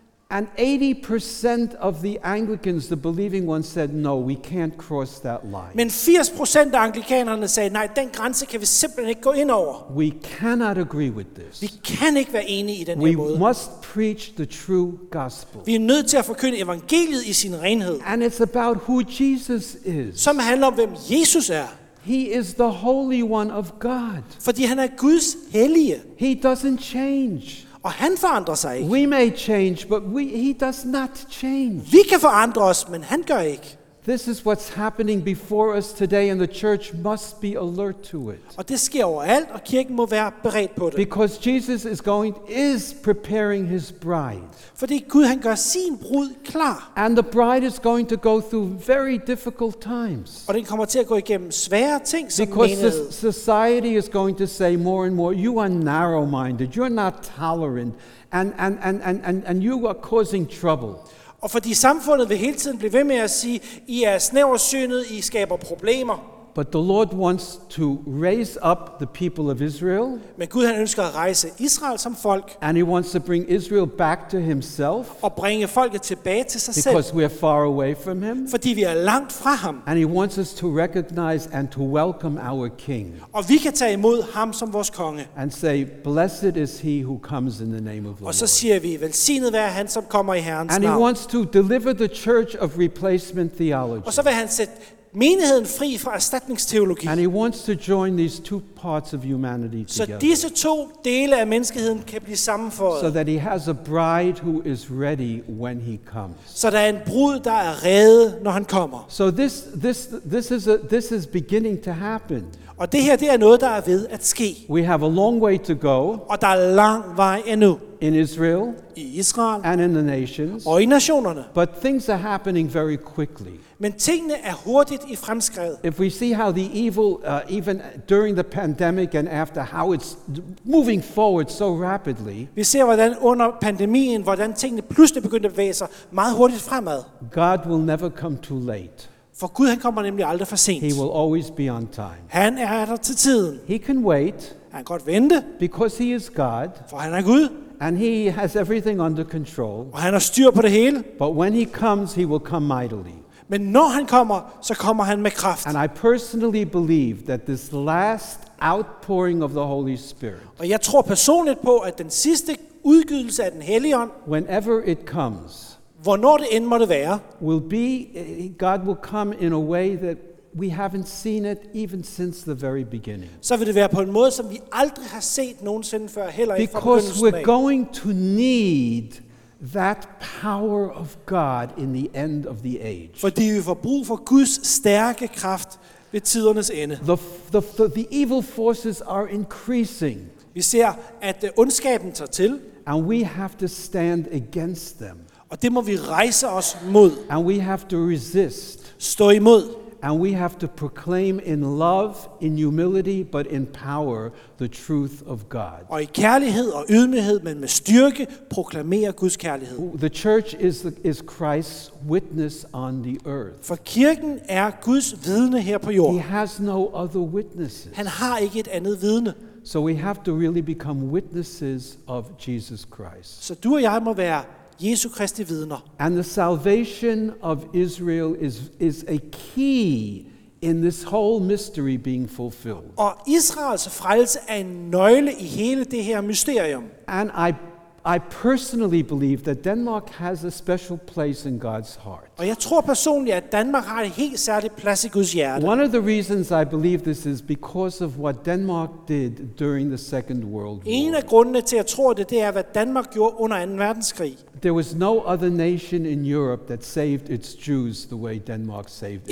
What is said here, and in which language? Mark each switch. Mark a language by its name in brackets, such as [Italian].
[English] And 80% of the Anglicans, the believing ones, said, no, we can't cross that line. [Danish] Men 80% af anglikanerne sagde, nej, den grænse kan vi simpelthen ikke gå ind over. [English] We cannot agree with this. [Danish] Vi kan ikke være enige i den her måde. [English] We must preach the true gospel. [Danish] Vi er nødt til at forkynde evangeliet i sin renhed. [English] And it's about who Jesus is. [Danish] Som handler om, hvem Jesus er. [English] He is the Holy One of God. [Danish] Fordi han er Guds hellige. [English] He doesn't change. [Danish] Og han forandrer sig ikke. [English] We may change, but he does not change. [Danish] Vi kan forandre os, men han gør ikke. [English] This is what's happening before us today, and the church must be alert to it. [Danish] Og det sker overalt, og kirken må være beredt på det. [English] Because Jesus is preparing his bride. [Danish] Fordi Gud han gør sin brud klar. [English] And the bride is going to go through very difficult times. [Danish] Og den kommer til at gå igennem svære ting, som because menighed. [English] Because society is going to say more and more, you are narrow-minded, you're not tolerant, and you are causing trouble. [Danish] Og fordi samfundet vil hele tiden blive ved med at sige, I er snæversynet, I skaber problemer. [English] But the Lord wants to raise up the people of Israel. [Danish] Men Gud han ønsker at rejse Israel som folk. [English] And he wants to bring Israel back to himself. [Danish] Og bringe folket tilbage til sig selv. [English] Because we are far away from him. [Danish] Fordi vi er langt fra ham. [English] And he wants us to recognize and to welcome our king. [Danish] Og vi kan tage imod ham som vores konge. [English] And say, blessed is he who comes in the name of the Lord. [Danish] Og så siger vi, velsignet være han som kommer i Herrens navn. [English] And he wants to deliver the church of replacement theology. [Danish] Og så vil han sætte menigheden fri fra erstatningsteologi. [English] And he wants to join these two parts of humanity together. [Danish] Så disse to dele af menneskeheden kan blive sammenføjet. [English] So that he has a bride who is ready when he comes. [Danish] Så der er en brud der er rede når han kommer. [English] So this is beginning to happen. [Danish] Og det her det er noget der er ved at ske. [English] We have a long way to go. [Danish] Og der er lang vej endnu. [English] In Israel, [Danish] i Israel, [English] and in the nations, [Danish] og i nationerne. [English] But things are happening very quickly. [Danish] Men tingene er hurtigt i fremskred. [English] If we see how the evil, even during the pandemic and after, how it's moving forward so rapidly. [Danish] Vi ser hvordan under pandemien, hvordan tingene pludselig begynder at bevæge sig meget hurtigt fremad. [English] God will never come too late. [Danish] For Gud han kommer nemlig aldrig for sent. [English] He will always be on time. [Danish] Han er der til tiden. [English] He can wait. [Danish] Han kan godt vente. [English] Because he is God. [Danish] For han er Gud. [English] And he has everything under control. [Danish] Og han har styr på det hele. [English] But when he comes, he will come mightily. [Danish] Men når han kommer, så kommer han med kraft. [English] And I personally believe that this last outpouring of the Holy Spirit. [Danish] Og jeg tror personligt på, at den sidste udgydelse af den hellige ånd. [English] Whenever it comes. [Danish] Hvornår det end måtte være. [English] Will be, God will come in a way that we haven't seen it even since the very beginning. [Danish] Så vil det være på en måde, som vi aldrig har set nogensinde før, heller ikke. [English] Because we're going to need that power of God in the end of the age. [Danish] Fordi vi får brug for Guds stærke kraft ved tidernes ende. [English] The evil forces are increasing. [Danish] Vi ser at ondskaben tager til. [English] And we have to stand against them. [Danish] Og det må vi rejse os mod. [English] And we have to resist. [Danish] Stå imod. [English] and we have to proclaim in love, in humility, but in power the truth of God. [Danish] Og i kærlighed og ydmyghed, men med styrke proklamerer Guds kærlighed. [English] The church is Christ's witness on the earth. [Danish] For kirken er Guds vidne her på jorden. [English] He has no other witnesses. [Danish] Han har ikke et andet vidne. [English] So we have to really become witnesses of Jesus Christ. [Danish] Så du og jeg må være Jesu Kristi vidner. [English] And the salvation of Israel is a key in this whole mystery being fulfilled. [Danish] Og Israels frelse er en nøgle i hele det her mysterium. [English] And I personally believe that Denmark has a special place in God's heart. [Danish] Og jeg tror personligt, at Danmark har en helt særlig plads i Guds hjerte. [English] One of the reasons I believe this is because of what Denmark did during the Second World War. [Danish] En af grundene til at tro det er, hvad Danmark gjorde under 2. verdenskrig. [English] There was no other nation in Europe that saved its Jews the way Denmark saved its